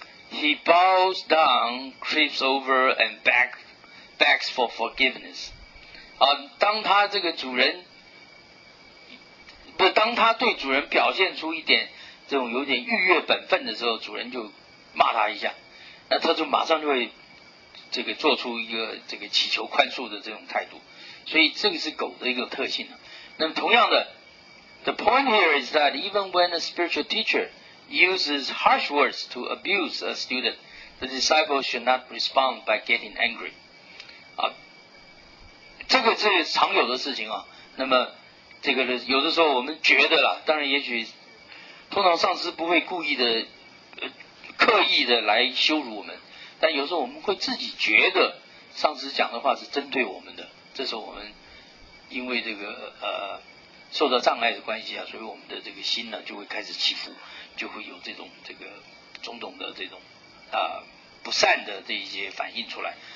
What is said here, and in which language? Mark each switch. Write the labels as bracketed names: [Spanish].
[English] He bows down, creeps over, and begs for forgiveness. [Chinese] 当他这个主人，不，当他对主人表现出一点这种有点逾越本分的时候，主人就骂他一下，那他就马上就会这个做出一个这个祈求宽恕的这种态度。所以这个是狗的一个特性。那么同样的 [English] ，the point here is that even when a spiritual teacher uses harsh words to abuse a student, the disciple should not respond by getting angry. [Chinese] 这个是常有的事情啊。那么这个有的时候我们觉得啦，当然也许通常上司不会故意的刻意的来羞辱我们，但有时候我们会自己觉得上司讲的话是针对我们的，这时候我们因为这个受到障碍的关系啊，所以我们的这个心呢就会开始起伏，就会有这种这个种种的这种不善的这一些反应出来。